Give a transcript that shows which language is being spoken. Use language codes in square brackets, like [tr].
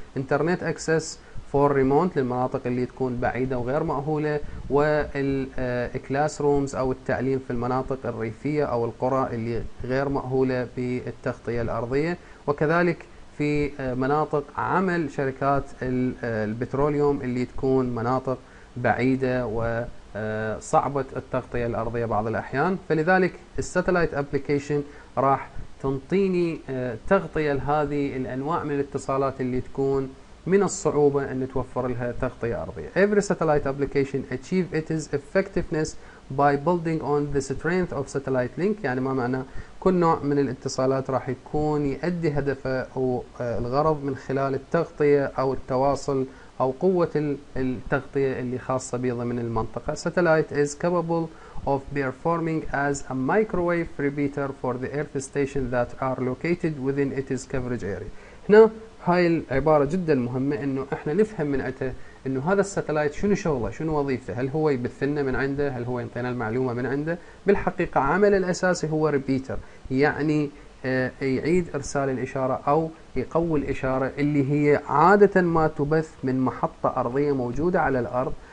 [en] internet access for remote [ar] للمناطق اللي تكون بعيدة وغير مأهولة, والكلاس رومز أو التعليم في المناطق الريفية أو القرى اللي غير مأهولة بالتغطية الأرضية, وكذلك في مناطق عمل شركات البتروليوم اللي تكون مناطق بعيدة وصعبة التغطية الأرضية بعض الأحيان. فلذلك الساتلايت أبليكيشن راح تنطيني تغطية لهذه الأنواع من الاتصالات اللي تكون من الصعوبة أن توفر لها تغطية أرضية. [en] Every satellite application achieve its effectiveness by building on the strength of satellite link. [ar] يعني ما معنى كل نوع من الاتصالات راح يكون يؤدي هدفه أو الغرض من خلال التغطية أو التواصل أو قوة التغطية اللي خاصة به ضمن المنطقة. [en] Satellite is capable of performing as a microwave repeater for the earth station that are located within its coverage area. [ar] هنا هاي العبارة جدا مهمة انه احنا نفهم من عتها انه هذا الساتلايت شنو شغله, شنو وظيفته, هل هو يبثلنا من عنده, هل هو ينطينا المعلومة من عنده. بالحقيقة عمل الاساسي هو ريبيتر, يعني يعيد ارسال الاشارة او يقوي الاشارة اللي هي عادة ما تبث من محطة ارضية موجودة على الارض.